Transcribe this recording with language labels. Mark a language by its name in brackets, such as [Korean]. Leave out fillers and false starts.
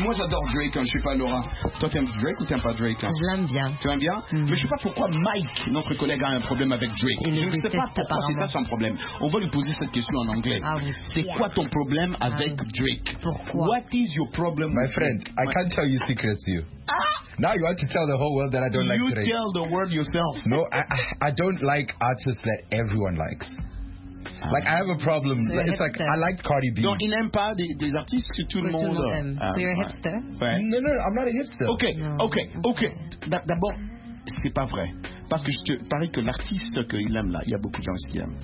[French] Moi j'adore Drake, hein, je sais pas Laura. Toi t'aimes Drake ou t'aimes pas Drake, hein? Je l'aime bien. Tu l'aimes bien? Mm-hmm. Mais je sais pas pourquoi Mike, notre collègue, a un problème avec Drake. Il je sais pas pourquoi c'est ça son problème. On va lui poser cette question en anglais. Ah, oui. C'est quoi ton problème avec Drake? Pourquoi? [English] What is your problem? My friend, I can't tell you secrets to you. Now you want to tell the whole world that I don't you like Drake. You tell the world yourself. No, I don't like artists that everyone likes. Like, I have a problem. So it's hipster. Like, I like Cardi B. [French] Non, il n'aime pas des artistes que tout le monde aime. [English] So you're a hipster? Right. No, I'm not a hipster. Okay, no. Okay. [French] D'abord, c'est pas vrai. Parce que je te parie que l'artiste qu'il aime là, il y a beaucoup de gens qui aiment.